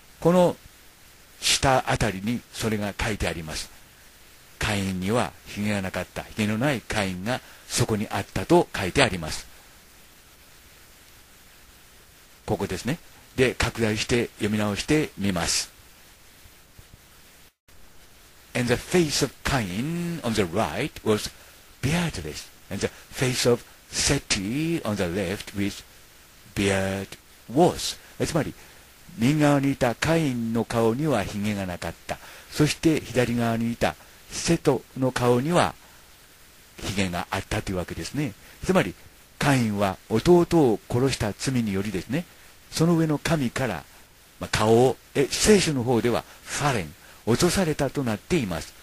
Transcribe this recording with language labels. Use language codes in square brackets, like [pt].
[ja] この下あたりにそれが書いてあります。カインにはヒゲがなかった、ヒゲのないカインがそこにあったと書いてあります。ここですね。で、拡大して読み直してみます。 [en] And the face of Cain on the right was beardless, and the face of Seti on the left with beard was. [ja] つまり、右側にいたカインの顔にはヒゲがなかった。そして左側にいたセトの顔にはヒゲがあったというわけですね。つまり、カインは弟を殺した罪によりですね、その上の神から、まあ、顔を、聖書の方ではファレン、落とされたとなっています。